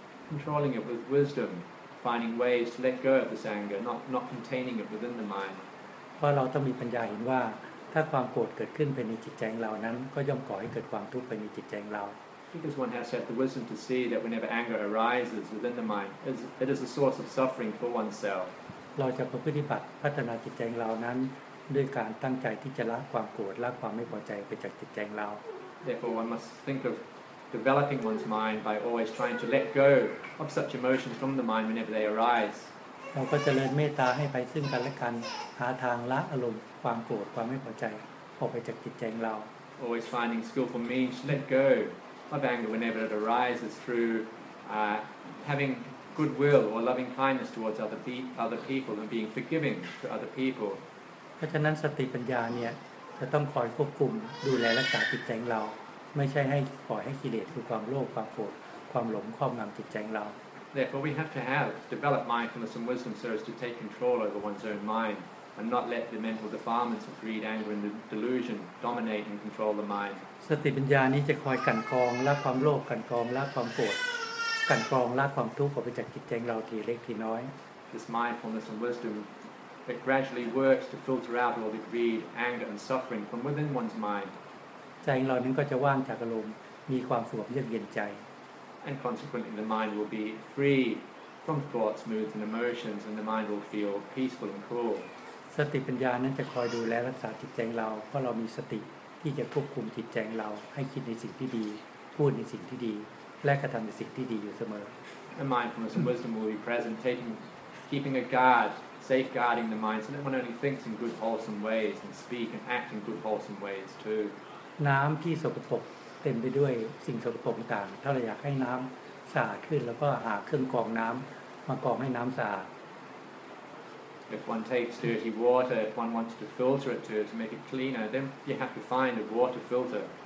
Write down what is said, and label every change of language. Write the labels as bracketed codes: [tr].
[en] Controlling it with wisdom, finding ways to let go of this anger, not containing it within the mind. [th] เพราะเราต้องมีปัญญาเห็นว่าถ้าความโกรธเกิดขึ้นภายในจิตใจของเรานั้นก็ย่อมก่อให้เกิดความทุกข์ภายในจิตใจของเรา [en] Because one has to have the wisdom to see that whenever anger arises within the mind, it is a source of suffering for oneself. [th] เราจะประพฤติปฏิบัติพัฒนาจิตใจของเรานั้นด้วยการตั้งใจที่จะละความโกรธละความไม่พอใจไปจากจิตใจของเรา [en] Therefore one must think of developing one's mind by always trying to let go of such emotions from the mind whenever they arise [th] เราก็เจริญเมตตาให้ไปซึ่งกันและกันหาทางละอารมณ์ความโกรธความไม่พอใจออกไปจากจิตใจของเรา [en] Always finding skillful means to let go of anger whenever it arises through havinggoodwill or loving kindness towards other people and being forgiving to other people [th] เพราะฉะนั้นสติปัญญาเนี่ยจะต้องคอยควบคุมดูแลรักษาจิตใจของเราไม่ใช่ให้ปล่อยให้กิเลสคือความโลภความโกรธความหลงครอบงำจิตใจของเรา [en] Therefore we have to have developed mindfulness and wisdom so as to take control over one's own mind and not let the mental defilements of greed anger and delusion dominate and control the mind [th] สติปัญญานี้จะคอยกันกองละความโลภกันกองละความโกรธกันกรองละความทุกข์ออกไปจากจิตใจเราทีเล็กทีน้อย [en] This mindfulness and wisdom it gradually works to filter out all the greed, anger and suffering from within one's mind [th] ใจของเรานั้นก็จะว่างจากอารมณ์มีความสงบเยือกเย็นใจ [en] And consequently the mind will be free from thoughts, moods and emotions and the mind will feel peaceful and cool [th] สติปัญญานั้นจะคอยดูแลรักษาจิตใจเราเพราะเรามีสติที่จะควบคุมจิตใจเราให้คิดในสิ่งที่ดีพูดในสิ่งที่ดีและกระทำในสิ่งที่ดีอยู่เสมอ [en] And mindfulness and wisdom will be present keeping a guard safeguarding the mind so that one only thinks in good wholesome ways and speak and act in good wholesome ways too [th] น้ำที่สกปรกเต็มไปด้วยสิ่งสกปรกต่างถ้าเราอยากให้น้ำสะอาดขึ้นแล้วก็หาเครื่องกรองน้ำมากรองให้น้ำสะอาด [en] If one takes dirty water if one wants to filter it to make it cleaner then you have to find a water filter